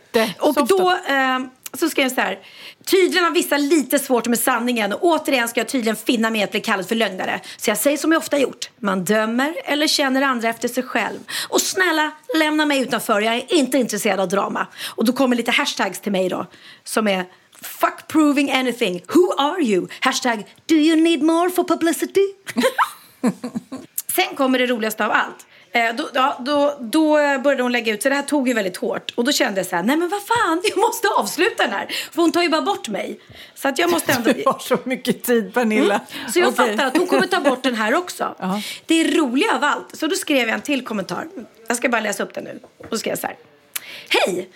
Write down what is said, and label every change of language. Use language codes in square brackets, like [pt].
[sv] det. Och då... Så skrev jag så här. Tydligen har vissa lite svårt med sanningen. Och återigen ska jag tydligen finna mig att bli kallad för lögnare. Så jag säger som jag ofta gjort. Man dömer eller känner andra efter sig själv. Och snälla, lämna mig utanför. Jag är inte intresserad av drama. Och då kommer lite hashtags till mig då. Som är [en] fuck proving anything. Who are you? Hashtag do you need more for publicity? [sv] Sen kommer det roligaste av allt. Då började hon lägga ut, så det här tog ju väldigt hårt. Och då kände jag så här, nej men vad fan, jag måste avsluta den här. För hon tar ju bara bort mig. Så att jag måste ändå... Du har så mycket tid, Pernilla. Så jag fattar att hon kommer ta bort den här också. Uh-huh. Det är roliga av allt. Så då skrev jag en till kommentar. Jag ska bara läsa upp den nu. Och då skrev jag så här. Hej!